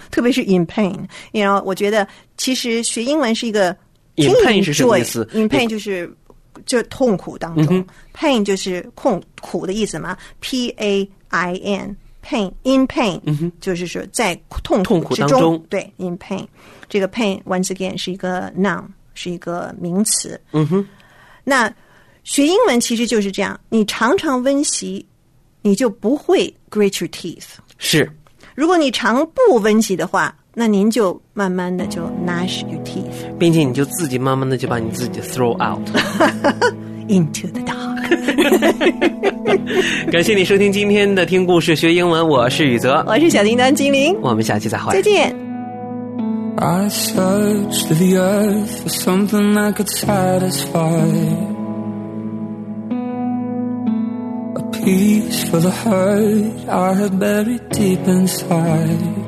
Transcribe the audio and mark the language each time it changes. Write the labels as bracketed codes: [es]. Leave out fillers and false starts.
[zh] 特别是 [en] in pain， you know， [zh] 我觉得其实学英文是一个 [en] in pain [zh] 是什么意思？ [en] in pain [zh] 就是痛苦当中、mm-hmm. pain 就是苦的意思嘛， P-A-I-N pain [en] in pain、 mm-hmm. [zh] 就是说在痛苦之中，对， [en] in pain [zh] 这个 [en] pain once again [zh] 是一个 noun， 是一个名词。嗯哼、mm-hmm. 那学英文其实就是这样，你常常温习你就不会 [en] grit your teeth。 [zh] 是，如果你常不温习的话，那您就慢慢的就 [en] gnash your teeth， [zh] 并且你就自己慢慢的就把你自己 [en] throw out into the dark [zh] 感谢你收听今天的听故事学英文，我是宇泽，我是小叮当精灵，我们下期再会，再见。 [en] I searched the earth for something I could satisfyPeace for the hurt I had buried deep inside.